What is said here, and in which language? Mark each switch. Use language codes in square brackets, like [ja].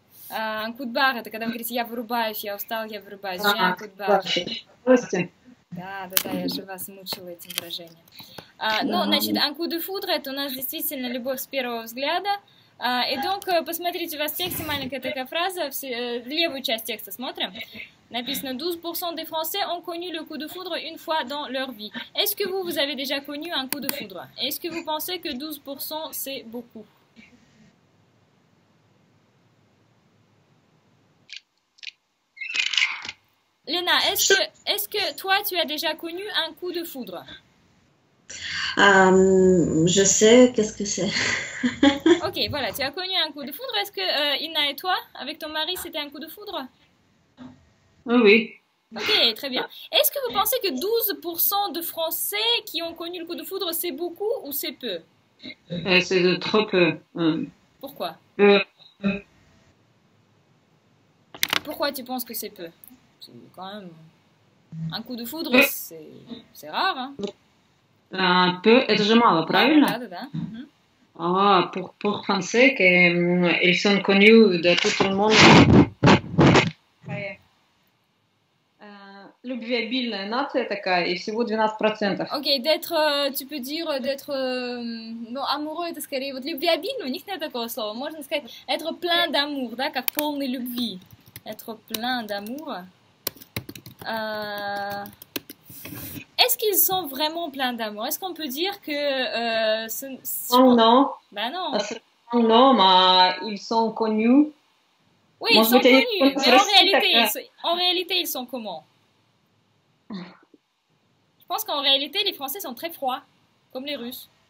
[ru] «Анку де бах» — это когда вы говорите «я вырубаюсь», «я устал», «я вырубаюсь», «я анку де бах». Да, я же вас мучила этим выражением. Значит, «Анку де фудра» — это у нас действительно любовь с первого взгляда. Итак, посмотрите, у вас в тексте маленькая такая фраза, левую часть текста смотрим. Написано [fr] 12% des Français ont connu le coup de foudre une fois dans leur vie. Est-ce que vous avez déjà connu un coup de foudre? Est-ce que vous pensez que 12% c'est beaucoup? Lena, est-ce que toi tu as déjà connu un coup de foudre? Je sais, qu'est-ce que c'est? Ok, voilà, tu as connu un coup de foudre. Est-ce que Inna et toi, avec ton mari, c'était un coup de foudre? Oui. Ok, très bien. Est-ce que vous pensez que 12% de Français qui ont connu le coup de foudre, c'est beaucoup ou c'est peu? C'est trop peu. Pourquoi? Pourquoi tu penses que c'est peu? Quand même, un coup de foudre, c'est rare, hein? Peu, [ru] это же мало, правильно? Да. [fr] А, pour français, qu'ils sont connus de tout le monde. [ru] Любвеобильная нация такая, и всего 12%. [fr] Ok, d'être, tu peux dire d'être, non, amoureux, [ru] это скорее, вот любвеобильный, у них нет такого слова, можно сказать [fr] être plein d'amour, [ru] да, как полный любви, [fr] être plein d'amour. Est-ce qu'ils sont vraiment pleins d'amour? Est-ce qu'on peut dire que, Oh non, ben non. non, mais ils sont connus. Oui, ils sont connus, mais Je en réalité, ils sont comment? Je pense qu'en réalité, les Français sont très froids, comme les Russes.